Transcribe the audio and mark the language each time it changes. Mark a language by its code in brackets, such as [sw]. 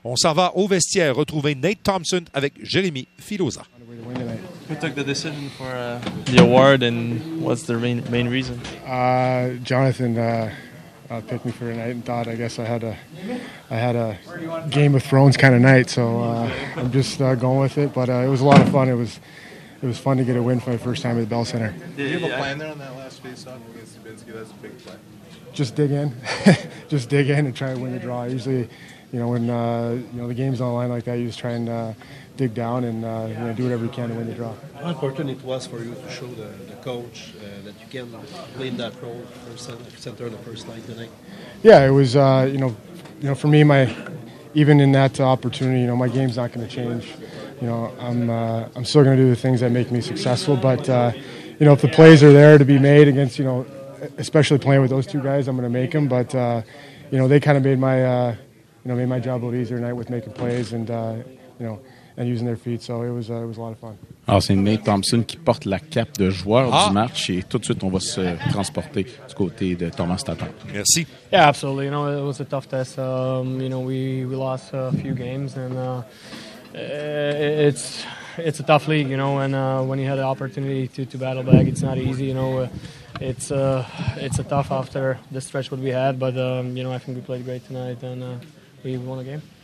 [fr] On s'en va au vestiaire retrouver Nate Thompson avec Jérémy Filosa. [en] Who took the decision for the award and what's the main reason? Jonathan picked me for tonight and thought I guess I had a Game of Thrones kind of night, so I'm just going with it. But it was a lot of fun. It was fun to get a win for the first time at the Bell Center. Did you have a plan there on that last faceoff against Stubinsky? That's a big play. Just dig in and try to win the draw. Usually, you know, when the game's on the line like that, you just try and dig down and do whatever you can to win the draw. How important it was for you to show the coach that you can play in that role for center the first night tonight? Yeah, it was. You know, for me, even in that opportunity, you know, my game's not going to change. You know, I'm still going to do the things that make me successful. But you know, if the plays are there to be made against, you know, especially playing with those two guys, I'm going to make them. But you know, they kind of made my made my job a little easier tonight with making plays and and using their feet. So it was a lot of fun. [fr] Alors, c'est Nate Thompson qui porte la cape de joueur du match, et tout de suite on va se transporter du côté de Thomas Tatar. Merci. [en] Yeah, absolutely. You know, it was a tough test. You know, we lost a few games and it's a tough league, you know, and when you had the opportunity to battle back, it's not easy, you know. It's a tough after the stretch what we had, but you know, I think we played great tonight and we won the game.